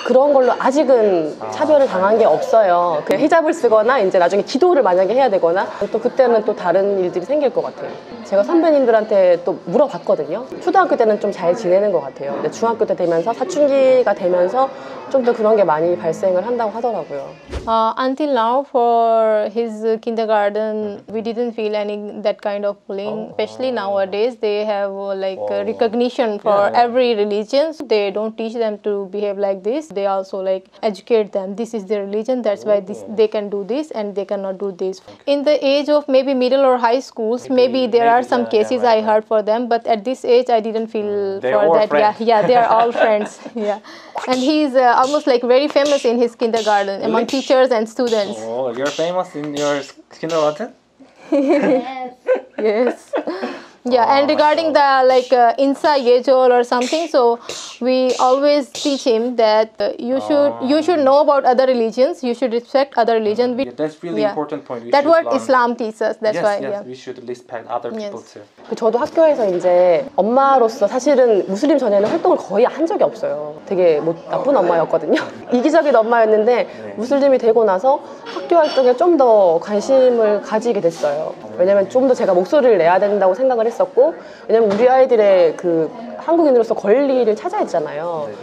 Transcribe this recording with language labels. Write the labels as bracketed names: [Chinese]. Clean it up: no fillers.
[Korean] 그런 걸로 아직은 차별을 당한 게 없어요. 그냥 히잡을 쓰거나 이제 나중에 기도를 만약에 해야 되거나 또 그때는 또 다른 일들이 생길 것 같아요. 제가 선배님들한테 또 물어봤거든요. 초등학교 때는 좀 잘 지내는 것 같아요. 근데 중학교 때 되면서 사춘기가 되면서 좀 더 그런 게 많이 발생을 한다고 하더라고요. [English] Until now for his kindergarten we didn't feel any that kind of bullying. Especially nowadays they have like recognition for every religion. So they don't teach them to behave like this. They also like educate them. This is their religion. That's why this, they can do this and they cannot do this. In the age of maybe middle or high schools, maybe there maybe, are some cases I heard for them. But at this age I didn't feel for that. Friends. Yeah, they are all friends. Yeah. And he's almost like very famous in his kindergarten among teachers and students. Oh, you're famous in your kindergarten? Yes. Yes. Yeah, and regarding the like insa yejol or something, so we always teach him that you should know about other religions, you should respect other religions. Yeah, that's really important point. That what Islam teaches. That's yes, why. Yes, yeah. We should respect other people too. [Korean] 저도 학교에서 이제 엄마로서 사실은 무슬림 전에는 활동을 거의 한 적이 없어요. 되게 뭐 나쁜 엄마였거든요. 이기적인 엄마였는데 무슬림이 되고 나서 학교 활동에 좀 더 관심을 가지게 됐어요. 왜냐면 좀 더 제가 목소리를 내야 된다고 생각을 했었고, 왜냐면 우리 아이들의 그 한국인으로서 권리를 찾아야 되잖아요.